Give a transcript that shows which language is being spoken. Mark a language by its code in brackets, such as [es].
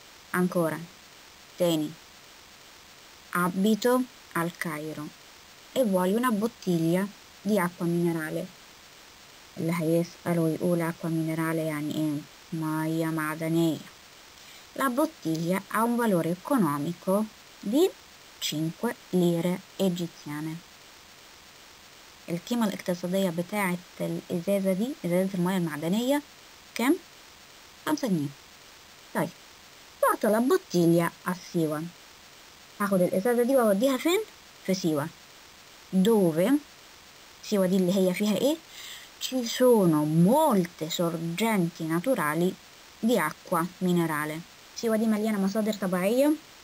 [it] Ancora, tieni, abito al Cairo e voglio una bottiglia di acqua minerale. [ar] La hayesalu yqul [it] acqua minerale [ar] yani ايه؟ ميه معدنيه. [it] La bottiglia ha un valore economico di 5 lire egiziane. [ar] القيمة الاقتصادية بتاعت الإزازة دي، إزازة المياه المعدنية، كم؟ 5 جنيه. طيب، [it] porto la bottiglia a Siwa. [ar] هاخد الإزازة دي وأوديها فين؟ في سيوة. دوفي سيوة دي اللي هي فيها إيه؟ [it] ci sono molte sorgenti naturali di acqua minerale. [ar] سيوة دي مليانة مصادر طبيعية.